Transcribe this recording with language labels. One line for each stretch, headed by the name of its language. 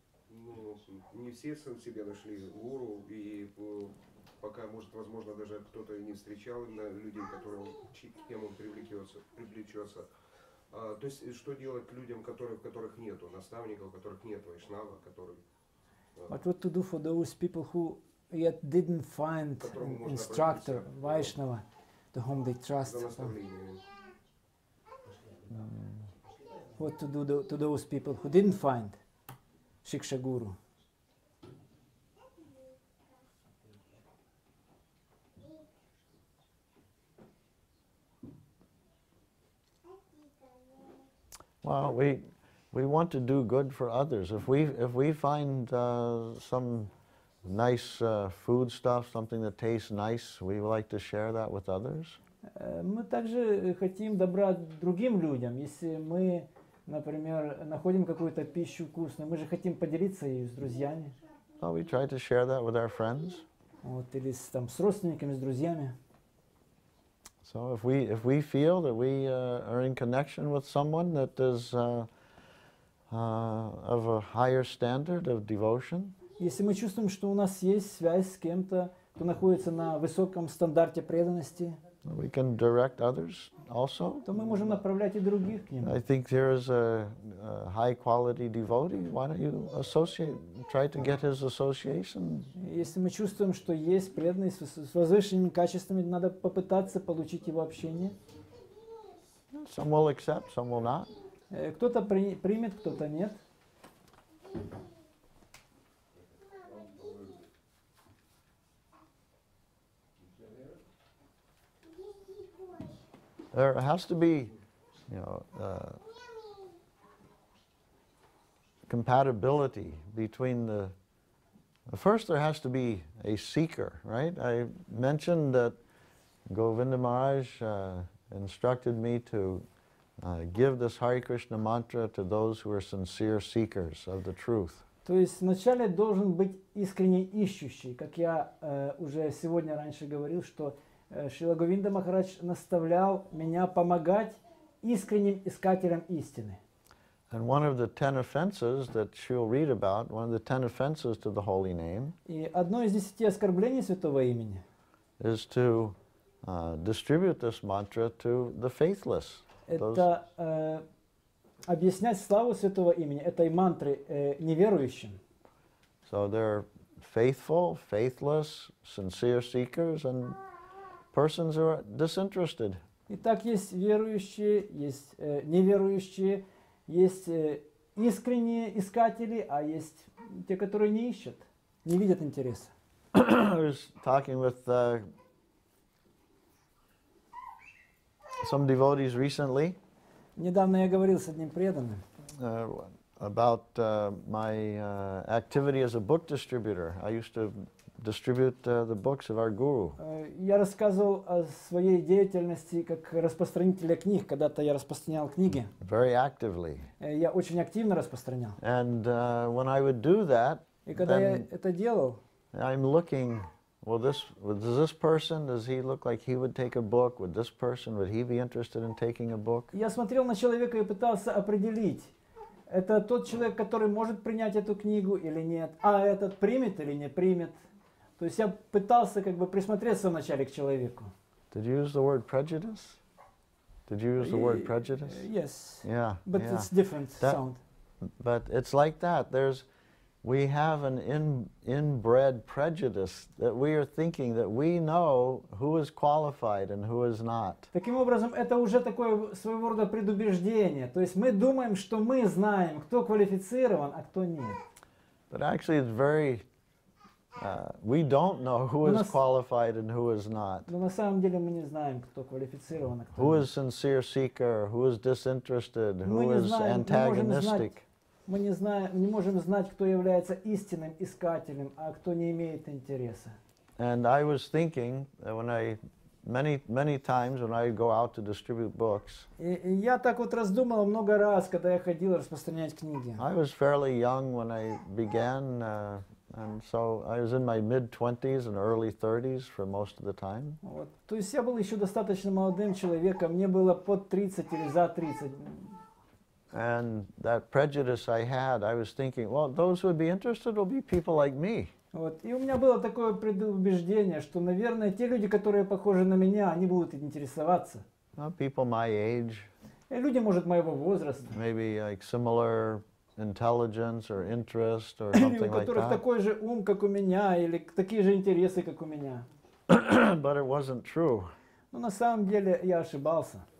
Russian: Ну, не все сам себе нашли гуру, и пока, может, возможно, даже кто-то и не встречал на людей, которым, к кем он привлечется. То есть что делать людям, которые, которых нету наставников, которых нет вайшнава, которые.
English: But what to do for those people who yet didn't find instructor vaishnava, to whom they trust? What to do to those people who didn't find Shiksha Guru? Well, we want to do good for others. If we find some nice food stuff, something that tastes nice, we would like to share that with others.
Russian: Мы также хотим добра другим людям. Если мы, например, находим какую-то пищу вкусную, мы же хотим поделиться ею с друзьями.
English: Well, we try to share that with our friends.
Russian: Вот, или с, там, с родственниками, с друзьями.
English: So if we feel that we are in connection with someone that is of a higher standard of devotion.
Russian: Если мы чувствуем, что у нас есть связь с кем-то, кто находится на высоком стандарте преданности,
English: we can direct others also.
Russian: То мы можем направлять и других к ним.
English: I think there is a high quality devotee. Why don't you associate, try to get his association?
Russian: Если мы чувствуем, что есть преданный с возвышенными качествами, надо попытаться получить его общение.
English: Some will accept, some will not.
Russian: Кто-то примет, кто-то нет.
English: There has to be, you know, compatibility between the first there has to be a seeker, right? I mentioned that Govinda Maharaj instructed me to give this Hare Krishna mantra to those who are sincere seekers of the truth.
Russian: То есть вначале должен быть искренне ищущий, как я уже сегодня раньше говорил, что Шрила Говинда Махарадж наставлял меня помогать искренним искателям истины.
English: And one of the ten offenses that she'll read about, one of the ten offenses to the holy name.
Russian: И одно из десяти оскорблений святого имени.
English: Is to distribute this mantra to the faithless.
Russian: Это объяснять славу святого имени этой мантры неверующим.
English: So they're faithful, faithless, sincere seekers and persons who are disinterested.
Russian: Итак, есть верующие, есть неверующие, есть искренние искатели, а есть те, которые не ищут, не видят интереса.
English: I was talking with some devotees recently.
Russian: Недавно я говорил с одним преданным.
English: About my activity as a book distributor. I used to distribute the books of our guru.
Russian: Я рассказывал о своей деятельности как распространителя книг. Когда-то я распространял книги.
English: Very actively.
Russian: Я очень активно распространял.
English: And when I would do that,
Russian: и когда я это делал,
English: I'm looking, well, this person, does he look like he would take a book? Would this person, would he be interested in taking a book?
Russian: Я смотрел на человека и пытался определить, это тот человек, который может принять эту книгу или нет, а этот примет или не примет. То есть я пытался как бы присмотреться вначале к человеку.
English: Did you use the word prejudice? Did you use the word prejudice? Yes. Yeah. But yeah. It's different that, sound. But it's like that. There's, we have an inbred prejudice that we are thinking that we know who is qualified and who is not.
Russian: Таким образом, это уже такое своего рода предубеждение. То есть мы думаем, что мы знаем, кто квалифицирован, а кто нет.
English: But actually, it's very we don't know who is qualified and who is not.
Russian: Но на самом деле мы не знаем, кто квалифицирован, а кто нет.
English: Who is sincere seeker, who is disinterested, who is antagonistic.
Russian: Мы не знаем, не можем знать, кто является истинным искателем, а кто не имеет интереса.
English: And I was thinking when I many times when I go out to distribute books.
Russian: И я так вот раздумывал много раз, когда я ходил распространять книги.
English: I was fairly young when I began, and so I was in my mid-20s and early 30s for most of the time.
Russian: Вот. То есть я был еще достаточно молодым человеком, мне было под 30 или за 30.
English: And that prejudice I had, I was thinking, well, those who would be interested will be people like me.
Russian: Вот. И у меня было такое предубеждение, что, наверное, те люди, которые похожи на меня, они будут интересоваться.
English: Well, people my age.
Russian: Люди, может, моего возраста.
English: Maybe like similar intelligence or interest or something like that.
Russian: Или у которых такой же ум, как у меня, или такие же интересы, как у меня.
English: But it wasn't true.
Russian: Но на самом деле я ошибался.